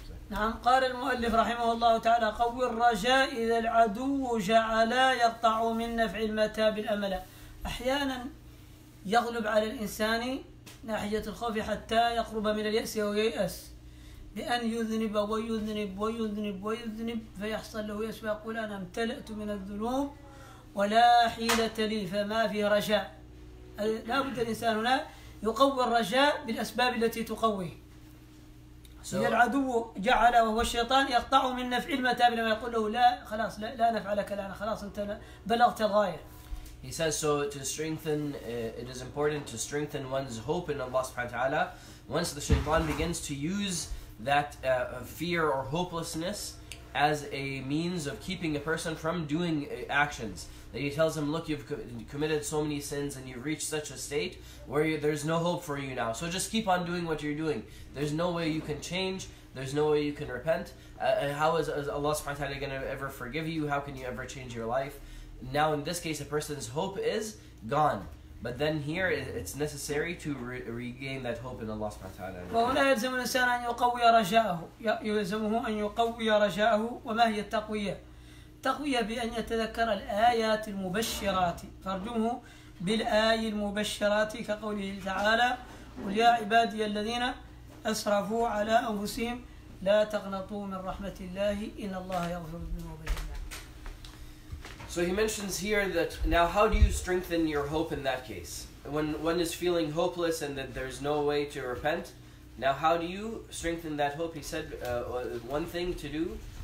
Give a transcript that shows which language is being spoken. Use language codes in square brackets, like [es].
[ar] نعم قال المؤلف رحمه الله تعالى قوي الرجاء إذا العدو جعل يقطع من نفع المتاب الأمل أحيانا يغلب على الإنسان ناحية الخوف حتى يقرب من اليأس أو ييأس بأن يذنب ويذنب فيحصل له يأس ويقول أنا امتلأت من الذنوب ولا حيلة لي فما في رجاء لا بد الإنسان هنا يقوي الرجاء بالأسباب التي تقويه So, إذا العدو جعل وهو الشيطان يقطع من نفع المتاب لما يقول له لا خلاص لا نفع لك الآن خلاص أنت بلغت الغاية. [en] He says so to strengthen it is important to strengthen one's hope in Allah subhanahu wa ta'ala. Once the shaitan begins to use that fear or hopelessness as a means of keeping a person from doing actions. That he tells him, look, you've committed so many sins and you've reached such a state where there's no hope for you now. So just keep on doing what you're doing. There's no way you can change. There's no way you can repent. How is Allah subhanahu wa ta'ala going to ever forgive you? How can you ever change your life? Now in this case, a person's hope is gone. But then here, it's necessary to regain that hope in Allah subhanahu wa ta'ala. [ar] وهنا يلزم الإنسان أن يقوي رجاءه. يلزمه أن يقوي رجاءه. وما هي التقوية؟ تقوية بأن يتذكر الآيات المبشرات فارجمه بالآي المبشرات كقوله تعالى قل يا عبادي الذين أسرفوا على أنفسهم لا تقنطوا من رحمة الله إن الله يغفر الذنوب جميعا [en] So he mentions here that now how do you strengthen your hope in that case? When one is feeling hopeless and that there's no way to repent, now how do you strengthen that hope? He said one thing to do